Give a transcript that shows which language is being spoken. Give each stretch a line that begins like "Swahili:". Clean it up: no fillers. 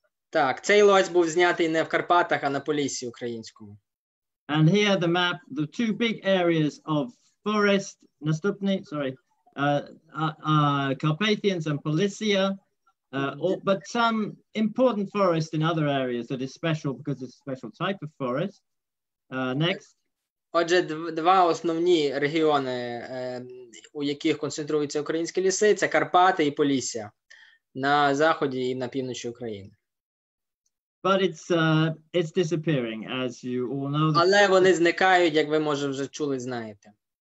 Ukrainian: Так, цей лось був знятий не в Карпатах, а на Полісі українському.
English: And here the map, the two big areas of forest, Carpathians and Polisia, but some important forest in other areas that is special because it's a special type of forest. Next.
Ukrainian: Отже, два основні регіони, у яких концентруються українські ліси, це Карпати і Полісся на заході і на півночі України.
English: But it's disappearing, as you all know.
Ukrainian: Але вони зникають, як ви, може, вже чули, знаєте.